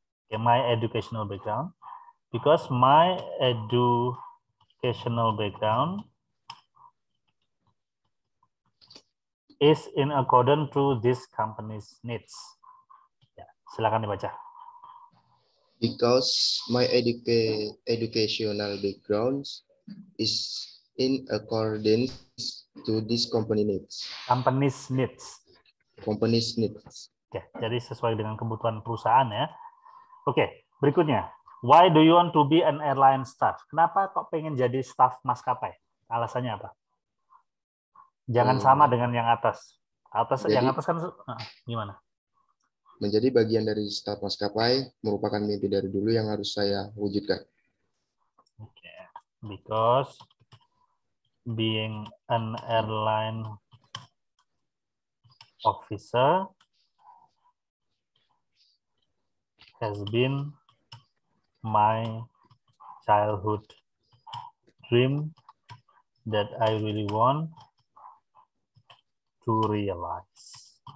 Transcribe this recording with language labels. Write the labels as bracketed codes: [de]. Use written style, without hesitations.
[en] Okay, my educational background, because my educational background is in accordance to this company's needs. [id] Yeah, silakan dibaca. [en] Because my educational background is in accordance to this company needs. Company's needs. Company's needs. [id] Okay, jadi sesuai dengan kebutuhan perusahaan ya. Oke, okay, berikutnya. [en] Why do you want to be an airline staff? [id] Kenapa kok pengen jadi staff maskapai? Alasannya apa? Jangan sama dengan yang atas. Atas jadi, yang atas kan gimana? Menjadi bagian dari staff maskapai merupakan mimpi dari dulu yang harus saya wujudkan. Oke. Okay. [en] Because being an airline officer has been my childhood dream that I really want to realize.